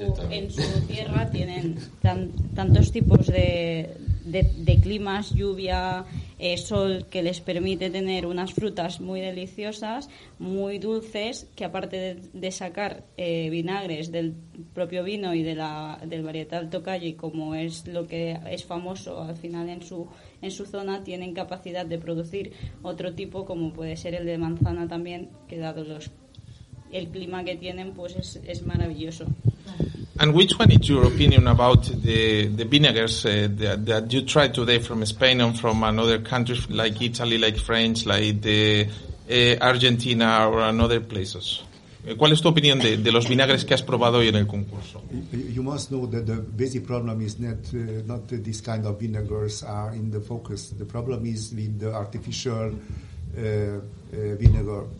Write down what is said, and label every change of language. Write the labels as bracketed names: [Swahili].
[Spanish] En su tierra tienen tantos tipos de climas, lluvia, sol, que les permite tener unas frutas muy deliciosas, muy dulces, que aparte de sacar vinagres del propio vino y del varietal Tokaji, como es lo que es famoso al final en su zona, tienen capacidad de producir otro tipo, como puede ser el de manzana también, que dado el clima que tienen, pues es maravilloso. [English] And which one is your opinion about the vinegars that you tried today from Spain and from another country like Italy, like France, like Argentina or another places? [Spanish] ¿Cuál es tu opinión de los vinagres que has probado hoy en el concurso? [English] You must know that the basic problem is not this kind of vinegars are in the focus. The problem is with the artificial vinegar.